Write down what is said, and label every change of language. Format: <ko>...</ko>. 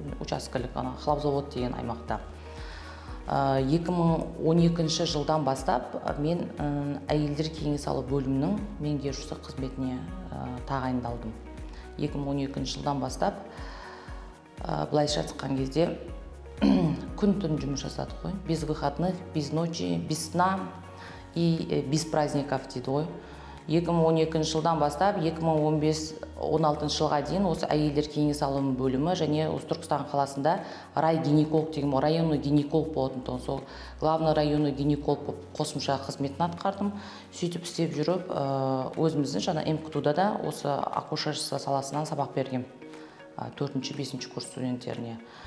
<kk>Учаскелік хлопзавод деген аймақта. 2012 жылдан бастап мен әйелдер кеңес алу бөлімінің меңгерушісі қызметіне тағайындалдым. 2012 жылдан бастап былайша айтқан кезде күн түн жұмыс жасадық қой.</kk> <ru>Без выходных, без ночи, без сна и без праздников</ru> <kk>дейді ғой. 2012 жылдан бастап 2015-16 жылға дейін осы әйелдер кеңес алу бөлімі және осы Түркістан қаласында рай гинеколог деген</kk> <ru>районный гинеколог</ru> <kk>болатын тұғын. Сол</kk> <ru>главный районный гинеколог</ru> <kk>болып қосымша қызметін атқардым. Сөйтіп істеп жүріп өзіміздің жаңа МКТУ-да да осы акушер саласынан сабақ берген 4-5 курс студенттеріне.</kk>